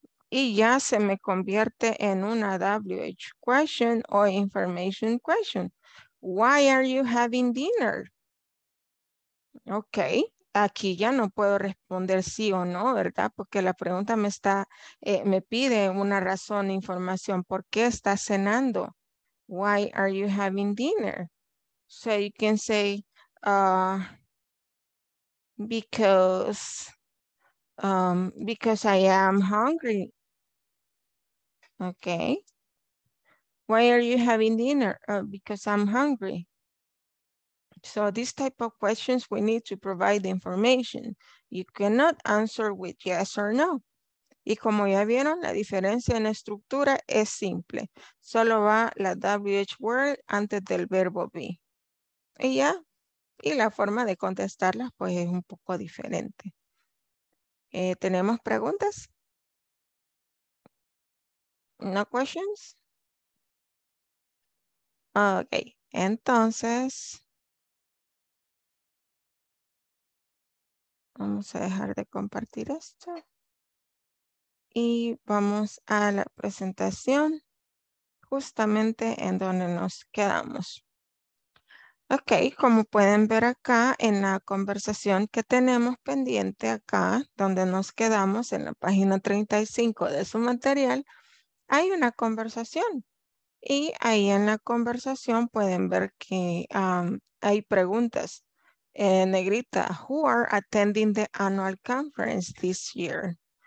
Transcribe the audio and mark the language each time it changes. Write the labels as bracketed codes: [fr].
[es] Y ya se me convierte en una WH question o information question. [en] Why are you having dinner? [es] Ok, aquí ya no puedo responder sí o no, ¿verdad? Porque la pregunta me está, me pide una razón, información. ¿Por qué estás cenando? [en] Why are you having dinner? So you can say, because I am hungry. Okay. Why are you having dinner? Because I'm hungry. So this type of questions, we need to provide the information. You cannot answer with yes or no. [es] Y como ya vieron, la diferencia en estructura es simple. Solo va la WH word antes del verbo be. Y ya. Y la forma de contestarlas pues es un poco diferente. ¿Tenemos preguntas? [en] No questions? [es] Okay, entonces vamos a dejar de compartir esto y vamos a la presentación justamente en donde nos quedamos. Okay, como pueden ver acá en la conversación que tenemos pendiente acá, donde nos quedamos en la página 35 de su material, hay una conversación y ahí en la conversación pueden ver que hay preguntas. [en] Negrita, who are attending the annual conference this year?